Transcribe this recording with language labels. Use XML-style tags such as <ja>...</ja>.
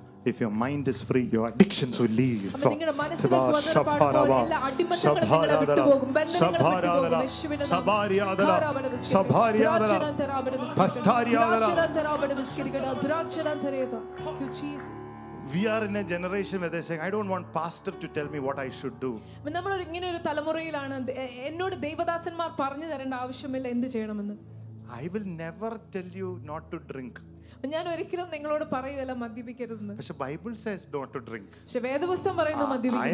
<en>If your mind is free, your addictions will leave. We are in a generation where they saying, I don't want pastor to tell me what I should do.</en> <ml>നമ്മൾ ഇങ്ങനെ ഒരു തലമുറയിലാണ് എന്നോട് ദൈവദാസന്മാർ പറഞ്ഞു തരേണ്ട ആവശ്യമില്ല എന്ത് ചെയ്യണമെന്ന്.</ml> <en>I will never tell you not to drink.</en> <ml>ഞാൻ ഒരിക്കലും നിങ്ങളോട് പറയുകയല്ല മദ്യപിക്കരുത്. പക്ഷേ</ml> <en>Bible says not to drink.</en> <ml>പക്ഷേ വേദപുസ്തകം പറയുന്നു മദ്യപിക്കരുത്.</ml>